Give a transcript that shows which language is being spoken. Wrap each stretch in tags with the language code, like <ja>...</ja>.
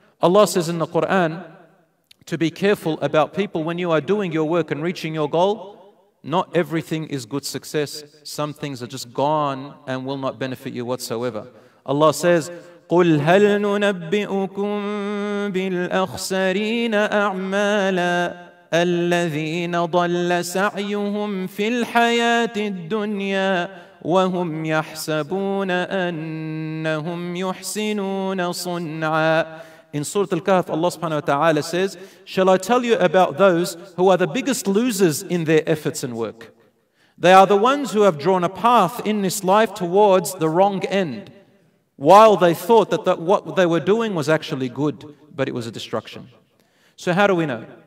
<en>Allah says in the Quran to be careful about people when you are doing your work and reaching your goal. Not everything is good success. Some things are just gone and will not benefit you whatsoever.</en> <ar>Allah says, قُلْ هَلْ نُنَبِّئُكُمْ بِالْأَخْسَرِينَ أَعْمَالًا الَّذِينَ ضَلَّ سَعْيُهُمْ فِي الْحَيَاةِ الدُّنْيَا وَهُمْ يَحْسَبُونَ أَنَّهُمْ يُحْسِنُونَ صُنْعًا.</ar> <en>In Surah Al-Kahf, Allah subhanahu wa ta'ala says, shall I tell you about those who are the biggest losers in their efforts and work? They are the ones who have drawn a path in this life towards the wrong end, while they thought that what they were doing was actually good, but it was a destruction. So how do we know?</en>